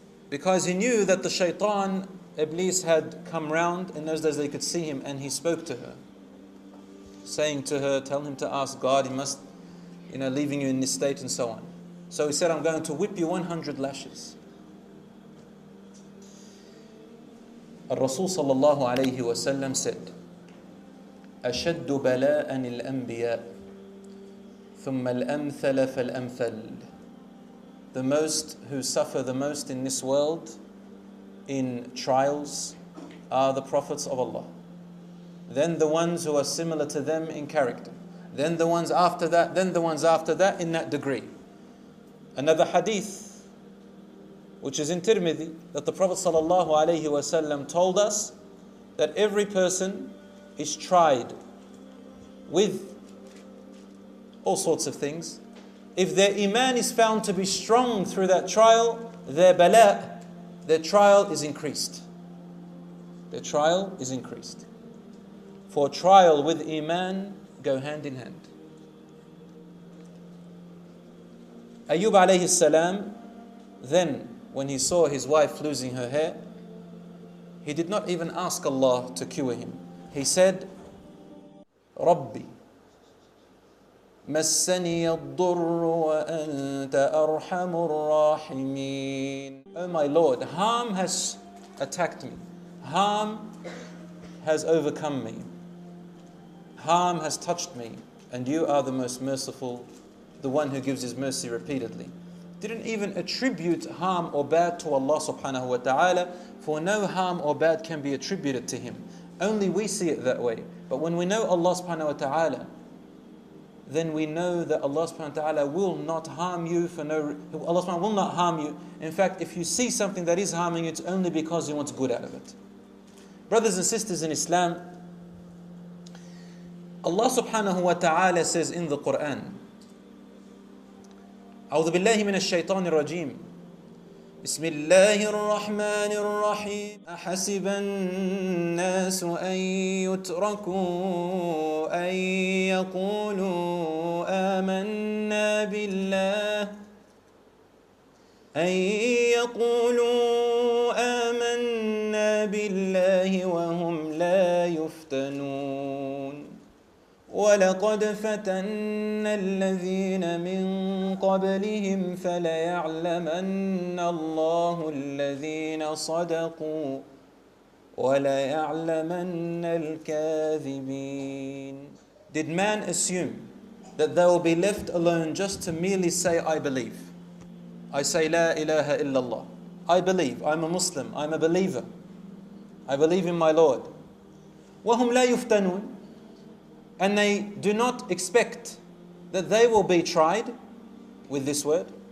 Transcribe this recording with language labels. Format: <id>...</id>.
<en>Because he knew that the shaitan, Iblis, had come round. In those days they could see him, and he spoke to her, saying to her, tell him to ask God, he must, you know, leaving you in this state and so on. So he said, I'm going to whip you 100 lashes.</en> <ar>الرسول صلى الله عليه وسلم</ar> <en>said,</en> <ar>أشد بلاء الأنبياء ثم الأمثل فالأمثل.</ar> <en>The most who suffer the most in this world in trials are the prophets of Allah. Then the ones who are similar to them in character. Then the ones after that, then the ones after that in that degree. Another hadith, which is in Tirmidhi, that the Prophet sallallahu alayhi wa sallam told us that every person is tried with all sorts of things. If their iman is found to be strong through that trial, their bala', their trial is increased. Their trial is increased. For trial with iman go hand in hand. Ayyub alayhi salam, then when he saw his wife losing her hair, he did not even ask Allah to cure him.</en> <ar>He said, Rabbi, مسني الضر وأنت أرحم الراحمين.</ar> <en>Oh my Lord, harm has attacked me. Harm has overcome me. Harm has touched me, and you are the most merciful, the one who gives his mercy repeatedly. Didn't even attribute harm or bad to Allah subhanahu wa ta'ala, for no harm or bad can be attributed to him. Only we see it that way. But when we know Allah subhanahu wa ta'ala, then we know that Allah subhanahu wa ta'ala will not harm you for no reason. Allah subhanahu wa ta'ala will not harm you. In fact, if you see something that is harming you, it's only because you want good out of it. Brothers and sisters in Islam, Allah subhanahu wa ta'ala says in the Quran,</en> <ar>أعوذ بالله من الشيطان الرجيم بسم الله الرحمن الرحيم أحسب الناس أن يتركوا أن يقولوا آمنا بالله أن يقولوا آمنا بالله وهم لا يفتنون ولقد فتنا الذين من قبلهم فليعلمن الله الذين صدقوا وليعلمن الكاذبين.</ar> <en>Did man assume that they will be left alone just to merely say, I believe. I say, La ilaha illallah. I believe. I'm a Muslim. I'm a believer. I believe in my Lord.</en> <ar>وهم لا يفتنون.</ar> <en>And they do not expect that they will be tried with this word.</en>